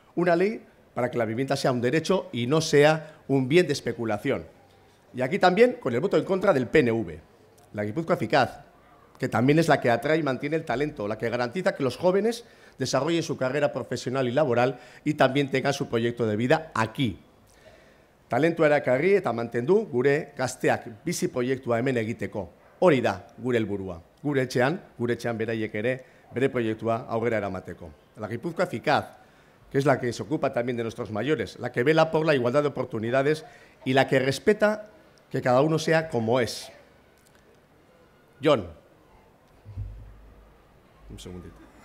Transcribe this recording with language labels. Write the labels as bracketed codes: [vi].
[es] Una ley para que la vivienda sea un derecho y no sea un bien de especulación. Y aquí también con el voto en contra del PNV. La Gipuzkoa Eficaz, que también es la que atrae y mantiene el talento, la que garantiza que los jóvenes desarrollen su carrera profesional y laboral y también tengan su proyecto de vida aquí. [eu] Talento erakarri eta mantendu gure gazteak bizi proiektua hemen egiteko. Hori da gure helburua. Gure etxean beraiek ere bere proiektua aurrera eramateko. [es] La Gipuzkoa Eficaz, que es la que se ocupa también de nuestros mayores, la que vela por la igualdad de oportunidades y la que respeta que cada uno sea como es. Jon. Un segundito.